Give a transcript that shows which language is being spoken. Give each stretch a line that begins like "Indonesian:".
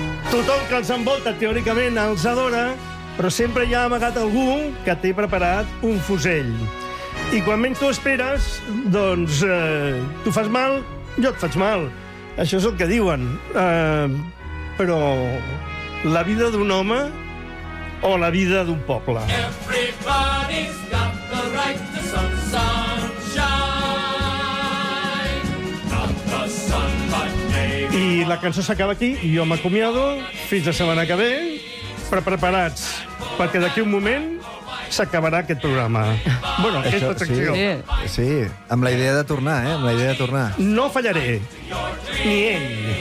Catalan: Tothom que els envolta, teòricament, els adora, però sempre hi ha amagat algú que té preparat un fusell. I quan menys tu esperes, doncs, tu fas mal, jo et faig mal. Això és el que diuen. Però la vida d'un home o la vida d'un poble.
English: Everybody's got the right to some sunshine. Not the sun, but maybe...
Catalan: I la cançó s'acaba aquí, jo m'acomiado. Fins la setmana que ve. Però preparats, perquè d'aquí un moment s'acabarà aquest programa. Bueno, aquesta secció. Sí, amb la idea de tornar, amb la idea de tornar. No fallaré, ni ell.